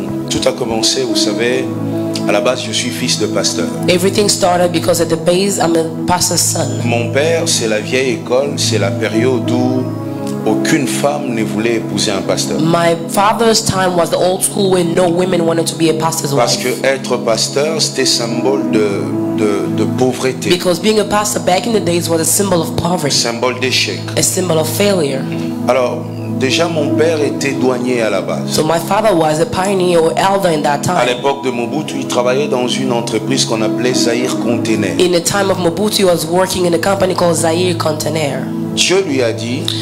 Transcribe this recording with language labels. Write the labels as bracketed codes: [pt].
[fr] Tout a commencé, vous savez, à la base, je suis fils de pasteur. [en] Everything started because at the base, I'm a pastor's son. [fr] Mon père, c'est la vieille école, c'est la période où aucune femme ne voulait épouser un pasteur. [en] My father's time was the old school where no women wanted to be a pastor's [fr] Parce [en] wife. [fr] Que être pasteur, c'était symbole de pauvreté. [en] Because being a pastor back in the days was a symbol of poverty. [fr] Symbole d'échec. [en] A symbol of failure. [fr] Alors, déjà mon père était douanier à la base. [en] So my father was a pioneer or elder in that time. [fr] À l'époque de Mobutu, il travaillait dans une entreprise qu'on appelait Zaire Container. [en] In the time of Mobutu, he was working in a company called Zaire Container. [fr] Dieu lui a dit